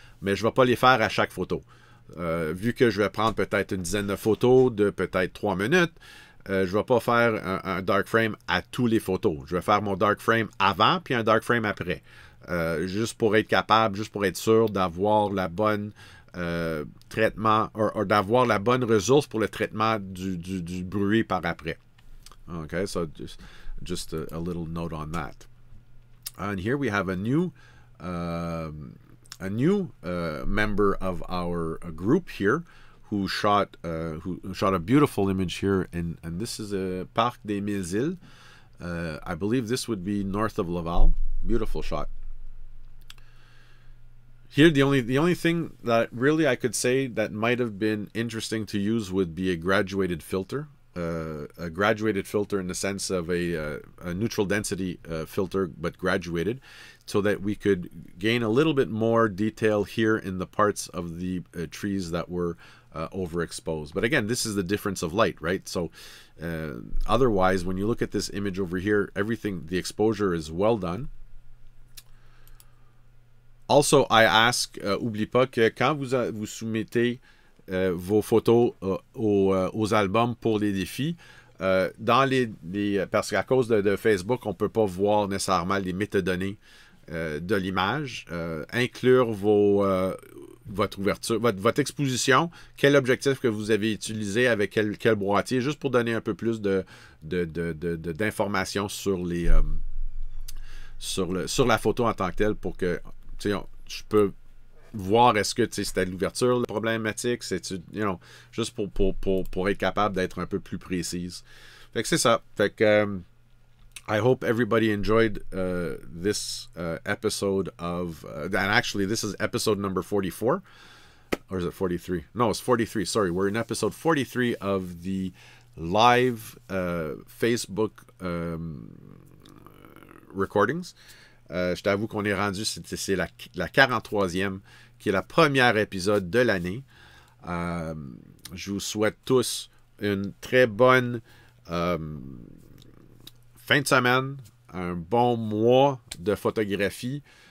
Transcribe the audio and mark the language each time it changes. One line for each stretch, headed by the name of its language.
French: Mais je ne vais pas les faire à chaque photo. Vu que je vais prendre peut-être une dizaine de photos de peut-être 3 minutes, je ne vais pas faire un dark frame à toutes les photos. Je vais faire mon dark frame avant, puis un dark frame après. Juste pour être capable, juste pour être sûr d'avoir la bonne traitement ou d'avoir la bonne ressource pour le traitement du bruit par après.
English: Okay, so just a little note on that. And here we have a new member of our group here who shot a beautiful image here, and this is a Parc des Mille Îles. I believe this would be north of Laval. Beautiful shot. Here, the only thing that really I could say that might have been interesting to use would be a graduated filter. A graduated filter in the sense of a neutral density filter, but graduated, so that we could gain a little bit more detail here in the parts of the trees that were overexposed. But again, this is the difference of light, right? So otherwise, when you look at this image over here, everything, the exposure is well done. Also, I ask,
French: oublie pas que quand vous soumettez vos photos aux albums pour les défis, dans les parce qu'à cause de Facebook, on ne peut pas voir nécessairement les métadonnées de l'image, inclure votre ouverture, votre exposition, quel objectif que vous avez utilisé, avec quel boîtier, juste pour donner un peu plus de d'informations sur les sur la photo en tant que telle, pour que je peux voir est-ce que c'était l'ouverture la problématique, juste pour être capable d'être un peu plus précise. Fait que c'est ça. Fait que
English: I hope everybody enjoyed this episode of and actually this is episode number 44 or is it 43? No, it's 43. Sorry, we're in episode 43 of the live Facebook recordings.
French: Je t'avoue qu'on est rendu, c'est la 43e, qui est la première épisode de l'année. Je vous souhaite tous une très bonne fin de semaine, un bon mois de photographie.